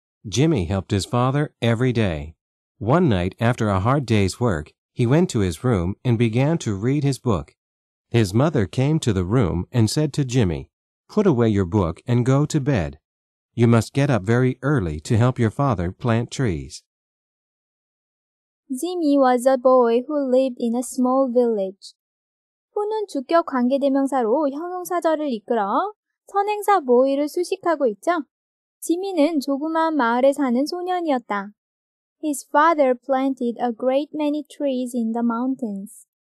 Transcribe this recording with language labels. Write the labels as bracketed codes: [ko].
[en] Jimmy helped his father every day. One night, after a hard day's work, he went to his room and began to read his book. His mother came to the room and said to Jimmy, "Put away your book and go to bed. You must get up very early to help your father plant trees." Jimmy was a boy who lived in a small village. [ko] Who는 주격 관계대명사로 형용사절을 이끌어 선행사 보이를 수식하고 있죠. 지미는 조그마한 마을에 사는 소년이었다. [en] His father planted a great many trees in the mountains.